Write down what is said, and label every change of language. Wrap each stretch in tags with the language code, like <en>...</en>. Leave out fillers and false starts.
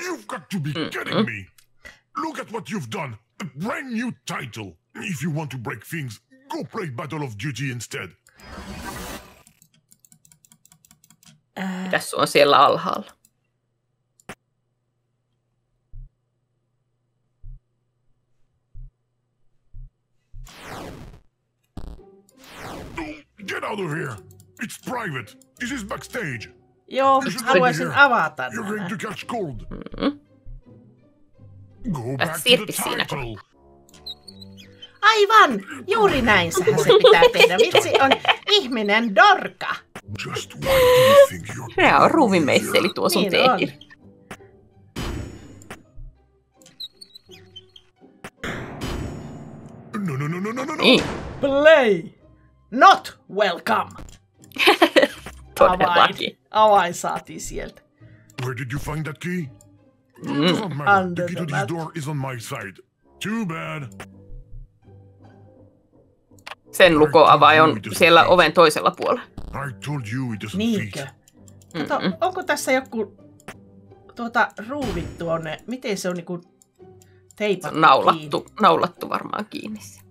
<en>You've got to be kidding me. Look at what you've done. A brand new title. If you want to break things, go play Battle of Duty instead.</en> <fi>Mitäs on siellä alhaalla?</fi> <en>Get out of here! It's private! This is backstage!</en> <fi>Joo, haluaisin avata</fi> <en>nämä. You're going to catch cold! Mm-hmm. Go back to the title! Siinä.</en> <fi>Aivan! Juuri näin sehän se pitää tehdä. Vitsi, on ihminen dorka!</fi> <en>Just why do you think you're...</en> <fi>Nää on ruumimeisseli tuo sun niin teekin.</fi> <en>No, no, no, no, no, no!</en> <fi>Niin.</fi> <en>Play! Not welcome.</en> <fi>Todellakin. Avain saatiin sieltä.</fi> <en>Where did you find that key? Under the key to this door is on my side. Too bad.</en> <fi>Sen lukoavain on siellä oven toisella puolella.</fi> <en>I told you it doesn't fit. Niinkö?</en> <fi>Kato, onko tässä joku ruuvi tuonne? Miten se on niinku teipattu naulattu, kiinni. Naulattu varmaan kiinni.</fi>